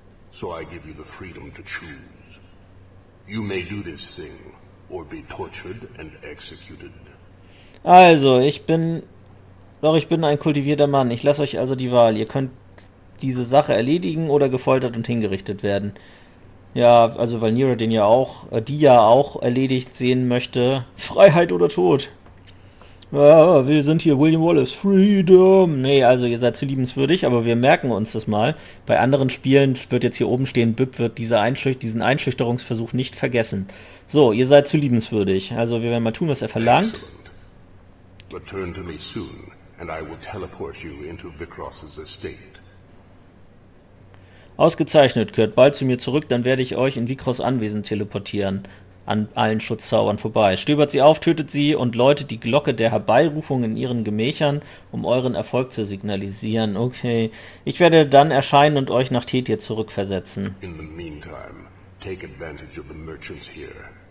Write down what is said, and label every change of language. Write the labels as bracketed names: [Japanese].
[English] So I give you the freedom to choose. You may do this thing, or be tortured and executed. [German] Also, ich bin... Doch, ich bin ein kultivierter Mann. Ich lasse euch also die Wahl. Ihr könnt diese Sache erledigen oder gefoltert und hingerichtet werden. Ja, also weil Nira den ja auch... die ja auch erledigt sehen möchte. Freiheit oder Tod? Ja, wir sind hier William Wallace. Freedom! Nee, also ihr seid zu liebenswürdig, aber wir merken uns das mal. Bei anderen Spielen wird jetzt hier oben stehen, Bib wird diesen Einschüchterungsversuch nicht vergessen. So, ihr seid zu liebenswürdig. Also wir werden mal tun, was er verlangt. [English] Return to me soon, and I will teleport you into Vikross's estate. [German] Ausgezeichnet, kehrt bald zu mir zurück, dann werde ich euch in Vikross Anwesen teleportieren. An allen Schutzzaubern vorbei. Stöbert sie auf, tötet sie und läutet die Glocke der Herbeirufung in ihren Gemächern, um euren Erfolg zu signalisieren. Okay. Ich werde dann erscheinen und euch nach Tethir zurückversetzen. [English] In the meantime, take advantage of the merchants here.